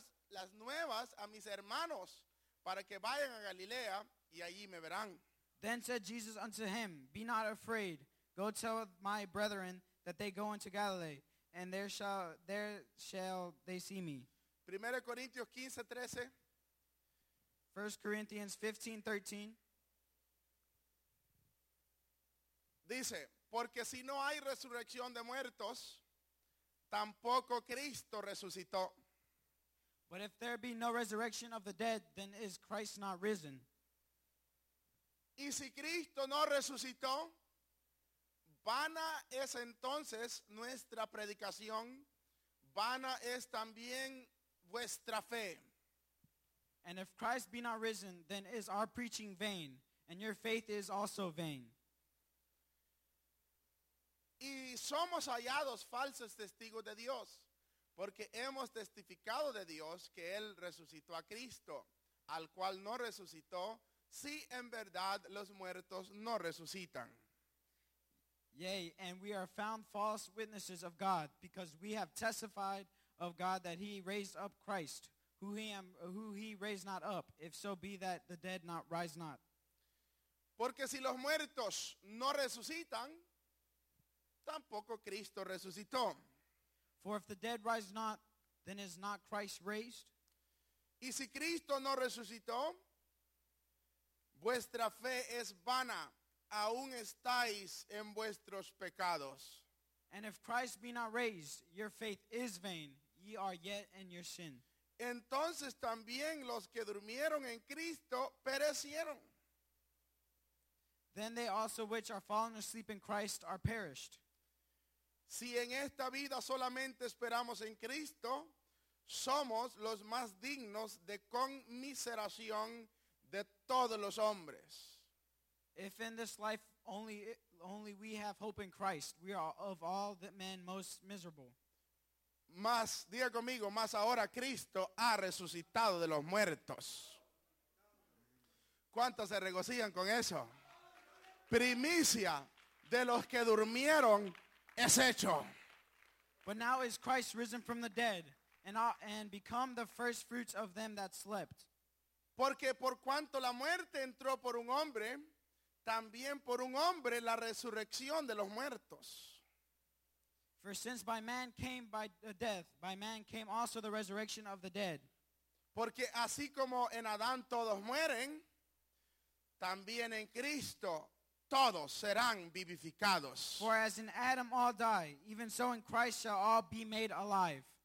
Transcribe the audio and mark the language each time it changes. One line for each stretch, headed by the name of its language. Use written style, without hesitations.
Spanish: las nuevas a mis hermanos para que vayan a Galilea y allí me verán.
English: Then said Jesus unto him, Be not afraid. Go tell my brethren that they go into Galilee, and there shall they see me. 1 Corinthians 15, 13. 1 Corinthians 15, 13.
Spanish: Dice, porque si no hay resurrección de muertos, tampoco Cristo resucitó.
English: But if there be no resurrection of the dead, then is Christ not risen?
Spanish: Y si Cristo no resucitó, vana es entonces nuestra predicación, vana es también vuestra fe.
English: And if Christ be not risen, then is our preaching vain, and your faith is also vain.
Spanish: Y somos hallados falsos testigos de Dios, porque hemos testificado de Dios que Él resucitó a Cristo, al cual no resucitó, si en verdad los muertos no resucitan.
English: Yea, and we are found false witnesses of God, because we have testified of God that he raised up Christ, who he raised not up, if so be that the dead not rise not.
Spanish: Porque si los muertos no resucitan, tampoco Cristo resucitó.
English: For if the dead rise not, then is not Christ raised?
Spanish: Y si Cristo no resucitó, vuestra fe es vana, aún estáis en vuestros pecados.
English: And if Christ be not raised, your faith is vain, ye are yet in your sin.
Spanish: Entonces también los que durmieron en Cristo perecieron.
English: Then they also which are fallen asleep in Christ are perished.
Spanish: Si en esta vida solamente esperamos en Cristo, somos los más dignos de conmiseración de todos los hombres.
English: If in this life only we have hope in Christ, we are of all the men most miserable.
Spanish: Mas, diga conmigo, mas ahora Cristo ha resucitado de los muertos. ¿Cuántos se regocijan con eso? Primicia de los que durmieron es hecho.
English: But now is Christ risen from the dead and become the first fruits of them that slept.
Spanish: Porque por cuanto la muerte entró por un hombre, también por un hombre la resurrección de los muertos.
English: For since by man came by death, by man came also the resurrection of the dead.
Spanish: Porque así como en Adán todos mueren, también en Cristo todos serán vivificados.
English: For as in Adam all die, even so in Christ shall all be made alive.